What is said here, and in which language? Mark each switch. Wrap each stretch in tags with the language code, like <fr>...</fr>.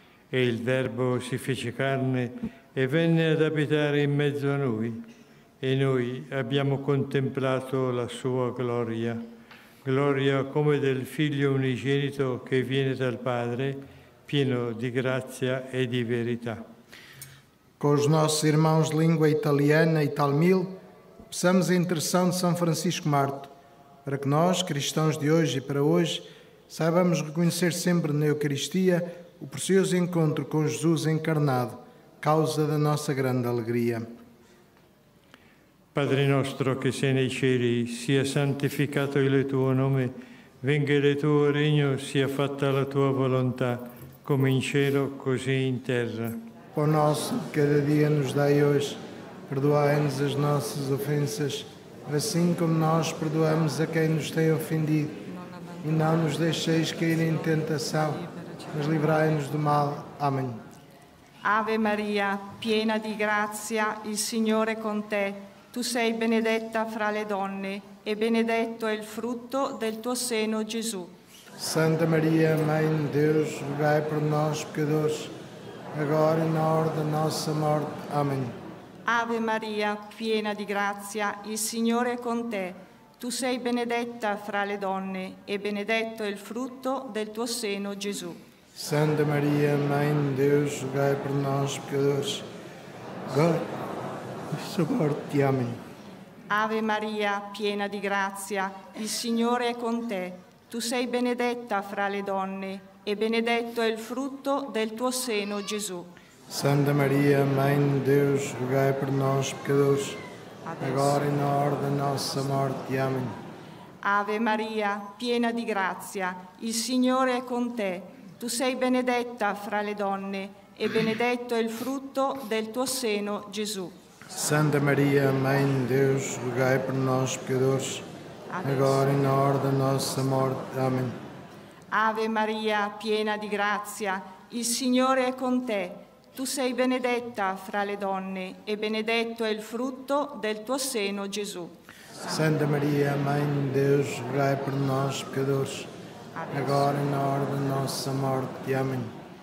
<it>E il Verbo si fece carne e venne ad abitare in mezzo a noi e noi abbiamo contemplato la Sua gloria, gloria come del Figlio unigenito che viene dal Padre, pieno di grazia e di verità.</it> <pt>Con i nostri irmãos</pt> <it>di lingua italiana e tamil,</it> <pt>peçamos a intercessão de São Francisco Marto, para que nós, cristãos de hoje e para hoje, saibamos reconhecer sempre na Eucaristia o precioso encontro com Jesus encarnado, causa da nossa grande alegria.</pt> <it>Padre nostro que sei nei cieli, sia santificato il tuo nome, venga il tuo regno, sia fatta la tua volontà, come in cielo, così in terra.</it> <pt>Pão nosso, cada dia nos dai hoje, perdoai-nos as nossas ofensas, assim como nós perdoamos a quem nos tem ofendido. E não nos deixeis cair em tentação, mas livrai-nos do mal. Amém.</pt> <it>Ave Maria, piena di grazia, il Signore è con te. Tu sei benedetta fra le donne, e benedetto è il frutto del tuo seno, Gesù.</it> <pt>Santa Maria, Mãe de Deus, rogai por nós, pecadores, agora e na hora da nossa morte. Amém.</pt> <it>Ave Maria, piena di grazia, il Signore è con te. Tu sei benedetta fra le donne e benedetto è il frutto del tuo seno, Gesù. Santa Maria,</it> <pt>Mãe de Deus, rogai</pt> <it>per noi peccatori, ora e nella morte. Amen. Ave Maria, piena di grazia, il Signore è con te. Tu sei benedetta fra le donne e benedetto è il frutto del tuo seno, Gesù.</it> <pt>Santa Maria, Mãe de Deus, rogai por nós, pecadores, agora e na hora da nossa morte. Amém.</pt> <it>Ave Maria, piena di grazia, il Signore è con te. Tu sei benedetta fra le donne e benedetto è il frutto del tuo seno, Gesù.</it> <pt>Santa Maria, Mãe de Deus, rogai por nós, pecadores, agora e na hora da nossa morte. Amém.</pt> <it>Ave Maria, piena di grazia, il Signore è con te. Tu sei benedetta fra le donne e benedetto è il frutto del tuo seno, Gesù.</it> <pt>Santa Maria, Mãe de Deus, rogai</pt> <it>per noi peccatori,</it> <pt>agora e na hora da nossa morte. Amen.</pt>